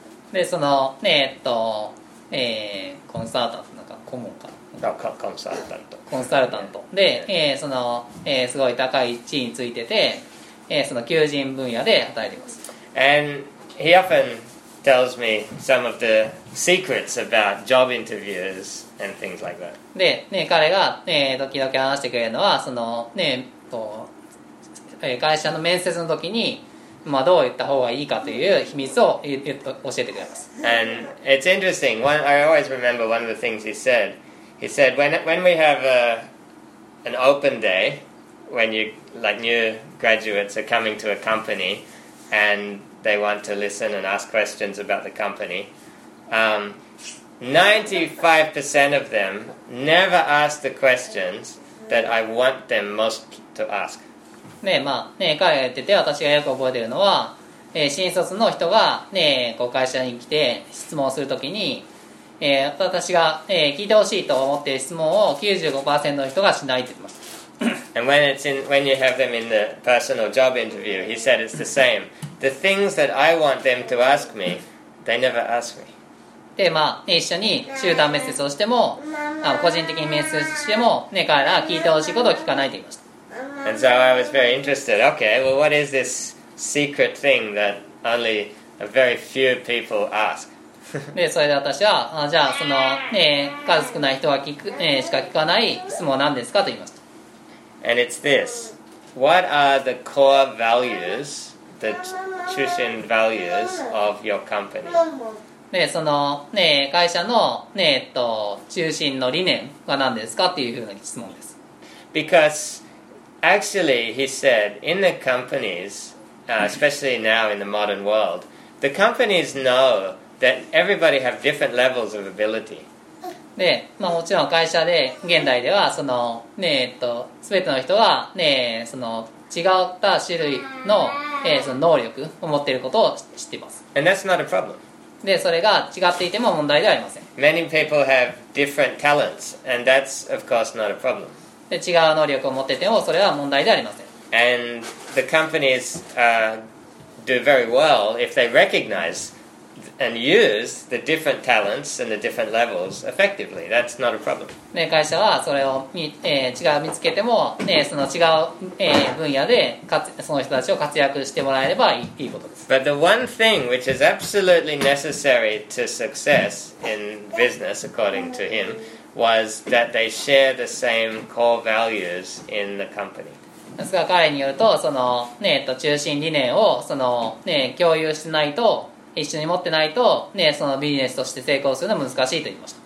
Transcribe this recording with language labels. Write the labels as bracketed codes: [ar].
[ja] でそのねコンサルタントなんか顧問か。コンサルタント。コンサルタントで、その、すごい高い地位についてて、その求人分野で働いています。 [en] And he often tells me some of the secrets about job interviews and things like that. [ja] で、ね、彼が、時々話してくれるのは、そのね、会社の面接の時に、まあ、どう言った方がいいかという秘密を教えてくれます。 [en] And it's interesting. I always remember one of the things he said. He said, when we have an open day, when you, like new graduates are coming to a company and they want to listen and ask questions about the company, 95% of them never ask the questions that I want them most to ask. [ja] ねえ、まあ、ねえ、彼が言ってて私がよく覚えてるのは、新卒の人がねえ、こう会社に来て質問するときに、私が、聞いてほしいと思っている質問を 95% の人がしないと言います。 [en] And when you have them in the personal job interview, he said it's the same. The things that I want them to ask me, they never ask me. [ja] で、まあ、一緒に集団面接をしても、個人的に面接しても、ね、彼らは聞いてほしいことを聞かないと言いました。 [en] And so I was very interested. Okay, well, what is this secret thing that only a very few people ask? [ja] でそれで私はあじゃあその、ね、数少ない人が聞く、しか聞かない質問は何ですかと言いました。 [en] And it's this. What are the core values, the Chushin values of your company? [ja] でその、ね、会社の、ね中心の理念は何ですかというふうな質問です。 [en] Because actually he said in the companies, especially now in the modern world, the companies knowThat everybody have different levels of ability. [ja] で、まあ、もちろん会社で現代ではそのね全ての人がねその違った種類の、その能力を持っていることを知っています。 [en] And that's not a problem. [ja] で、それが違っていても問題ではありません。 [en] Many people have different talents, and that's of course not a problem. [ja] で、違う能力を持っていてもそれは問題ではありません。 [en] And the companies do very well if they recognize. And use the different talents and the different levels effectively. That's not a problem. [ja] ね、会社はそれを違う見つけても、ね、その違う、分野でその人たちを活躍してもらえればいいことです。 [en] But the one thing which is absolutely necessary to success in business, according to him, was that they share the same core values in the company. [ja] ですが彼によると、その、ね、中心理念をその、ね、共有してないと一緒に持ってないと、ね、そのビジネスとして成功するのは難しいと言いました。